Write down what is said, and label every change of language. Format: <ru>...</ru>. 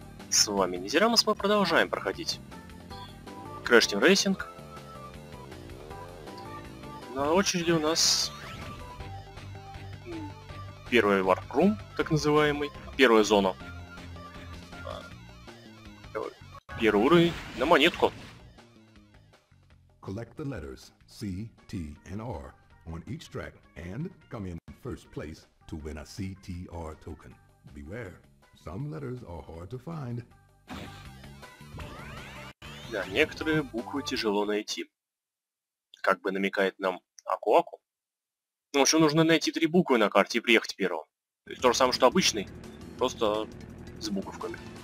<ru>С вами Незирамос, мы продолжаем проходить Crash Team Racing. На очереди у нас первый Warp-Room, так называемый, первая зона. Первый уровень на монетку.</ru> <en>Collect the letters C, T, and R on each track and come in first place to win a CTR token. Beware. Some letters are hard to find.</en> <ru>Да, некоторые буквы тяжело найти. Как бы намекает нам Акуаку. Ну, в общем, нужно найти три буквы на карте и приехать первым. То есть то же самое, что обычный, просто с буковками.</ru>